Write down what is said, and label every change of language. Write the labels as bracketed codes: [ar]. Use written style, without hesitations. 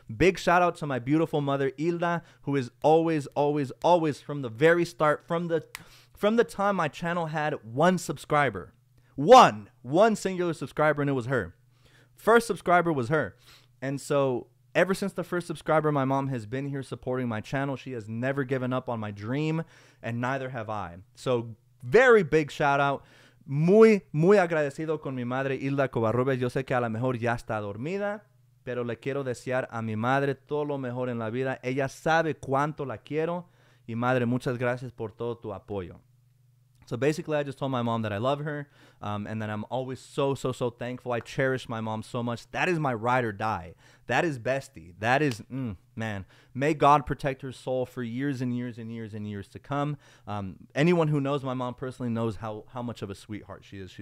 [en] Big shout out to my beautiful mother, Hilda, who is always, always, always from the very start, from the time my channel had one subscriber, one singular subscriber, and it was her. First subscriber was her. And so ever since the first subscriber, my mom has been here supporting my channel. She has never given up on my dream, and neither have I. So very big shout out. [es] Muy, muy agradecido con mi madre, Hilda Covarrubias. Yo sé que a lo mejor ya está dormida, pero le quiero desear a mi madre todo lo mejor en la vida. Ella sabe cuánto la quiero. Y madre, muchas gracias por todo tu apoyo. [en] So basically, I just told my mom that I love her and that I'm always so, so, so thankful. I cherish my mom so much. That is my ride or die. That is bestie. That is, man, may God protect her soul for years and years and years and years to come. Anyone who knows my mom personally knows how much of a sweetheart she is.